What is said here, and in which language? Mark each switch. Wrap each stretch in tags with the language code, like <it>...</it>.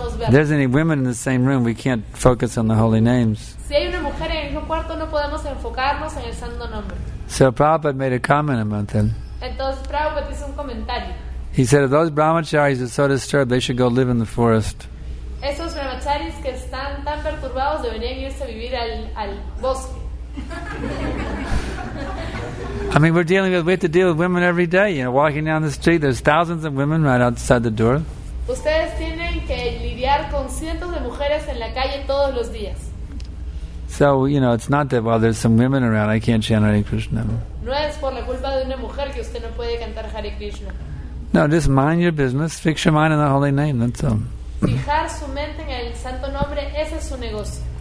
<en>There's any women in the same room, we can't focus on the holy names. So Prabhupada made a comment about that. He said, if those brahmacharis are so disturbed, they should go live in the forest.</en> <es>Esos brahmacharis que están tan perturbados deberían irse a vivir al bosque.</es> <en>I mean, we have to deal with women every day. You know, walking down the street, there's thousands of women right outside the door.</en> <es>Ustedes tienen que lidiar con cientos de mujeres en la calle todos los días.</es> <en>So, you know, it's not that while there's some women around, I can't chant Hare Krishna.</en> <es>No es por la culpa de una mujer que usted no puede cantar Hare Krishna.</es> <en>No, just mind your business. Fix your mind in the holy name. That's all.</en> <es>Fijar su mente en el santo nombre, ese es su negocio.</es>